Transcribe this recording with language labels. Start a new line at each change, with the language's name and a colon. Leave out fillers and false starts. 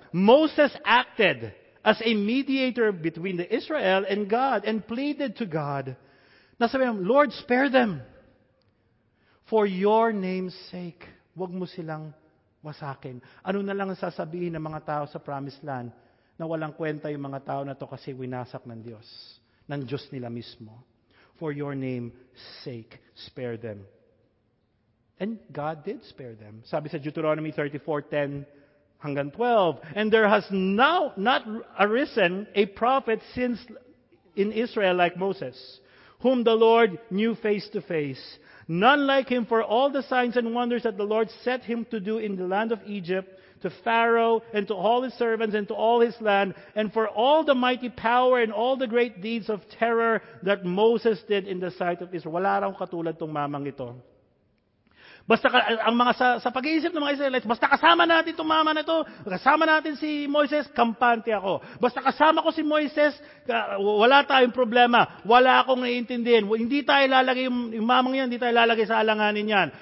English: Moses acted as a mediator between the Israel and God and pleaded to God.
Filipino: Nasabi niya,
English: Lord, spare them for your name's sake.
Filipino: Huwag mo silang wasakin. Ano na lang ang sasabihin ng mga tao sa promised land na walang kwenta yung mga tao na to kasi winasak ng Diyos nila mismo.
English: For your name's sake, spare them. And God did spare them.
Filipino: Sabi sa
English: Deuteronomy 34:10
Filipino: hanggang 12,
English: and there has now not arisen a prophet since in Israel like Moses, whom the Lord knew face to face. None like him for all the signs and wonders that the Lord set him to do in the land of Egypt, to Pharaoh and to all his servants and to all his land, and for all the mighty power and all the great deeds of terror that Moses did in the sight of Israel.
Filipino: Wala raw katulad tong mamang ito. Basta ang mga sa pag-iisip ng mga Israelites, basta kasama natin itong mama na ito, kasama natin si Moises, kampante ako. Basta kasama ko si Moises, wala tayong problema. Wala akong naiintindihan. Hindi tayo lalagay yung mamang yan, hindi tayo lalagay sa alanganin yan.